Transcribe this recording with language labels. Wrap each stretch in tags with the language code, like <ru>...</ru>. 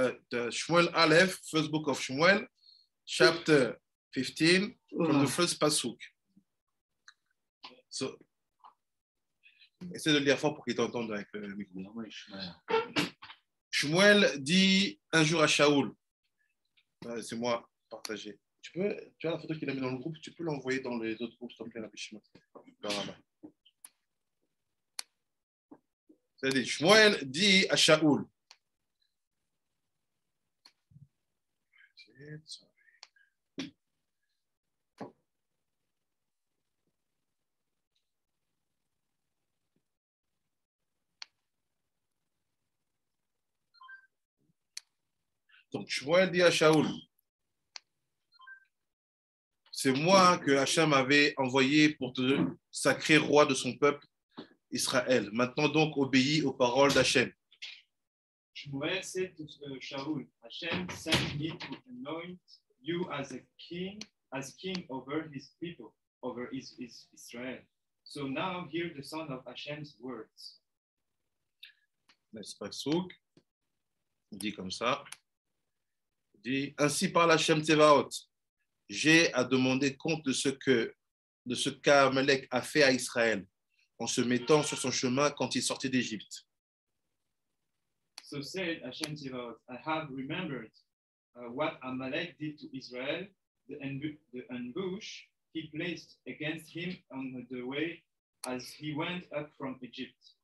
<en>The Shmuel Aleph, first book of Shmuel, chapter 15, from the first pasuk.</en> <fr>So, essaie de lire fort pour qu'ils t'entendent avec le micro. Shmuel dit un jour à Shaoul. C'est moi. Partager. Tu as la photo qu'il a mis dans le groupe, tu peux l'envoyer dans les autres groupes, s'il te plaît, la pêche. C'est-à-dire, Shmuel dit à Shaoul. Donc, Shmuel dit à Shaoul. C'est moi que Hachem avait envoyé pour te sacrer roi de son peuple, Israël. Maintenant donc, obéis aux paroles d'Hachem.</fr> <en>Shmuel said to Shaul, Hachem sent me to anoint you as king over his people, over his Israel. So now hear the sound of Hashem's words. Next pasuk,</en> <fr>dit comme ça. Dit, ainsi parle Hachem Tevaot. J'ai à demander compte de ce qu'Amalek a fait à Israël en se mettant sur son chemin quand il sortait d'Égypte.</fr> <en>So said Hashem Tzivaot, I have remembered what Amalek did to Israel, the ambush he placed against him on the way as he went up from Egypt.</en>